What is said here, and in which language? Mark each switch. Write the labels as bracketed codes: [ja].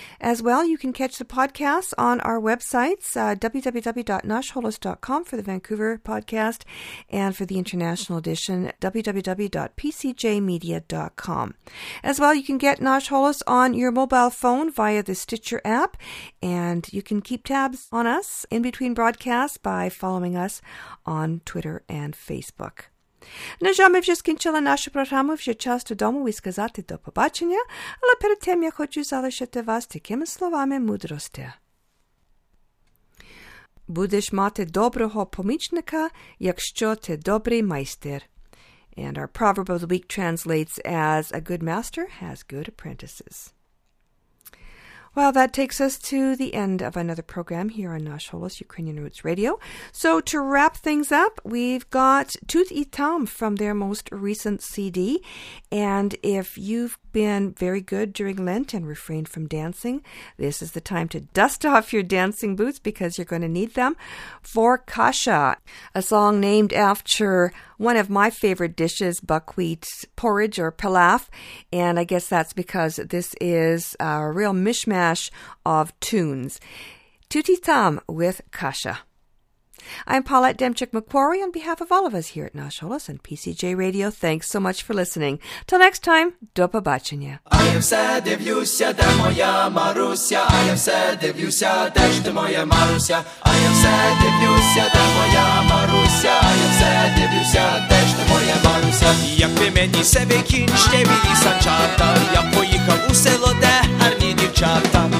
[en] As well, you can catch the podcasts on our websites, www.nashholos.com for the Vancouver podcast, and for the international edition, www.pcjmedia.com. As well, you can get Nash Holos on your mobile phone via the Stitcher app, and you can keep tabs on us in between broadcasts by following us on Twitter and Facebook. [uk] На жаль, ми вже скінчили нашу програму, вже час додому і сказати до побачення, але перед тим я хочу залишити вас такими словами мудрості. Будеш мати доброго помічника, якщо ти добрий майстер. [en] And our proverb of the week translates as, a good master has good apprentices. Well, that takes us to the end of another program here on Nash Holos Ukrainian Roots Radio. So to wrap things up, we've got Tut I Tam from their most recent CD. And if you've been very good during Lent and refrained from dancing, this is the time to dust off your dancing boots because you're going to need them for Kasha, a song named after one of my favorite dishes, buckwheat porridge or pilaf. And I guess that's because this is a real mishmash of tunes. Tut I Tam with Kasha. I'm Paulette Demchik-McQuarrie on behalf of all of us here at Nash Holos and PCJ Radio. Thanks so much for listening. Till next time, [uk] до побачення. А я все дивлюся, де моя Маруся. А я все дивлюся, де ж ти моя Маруся. А я все дивлюся, де моя Маруся. А я все дивлюся, де ж ти моя Маруся. Як би мені себе кінчте білі сачата. Я поїхав у село, де гарні дівчата.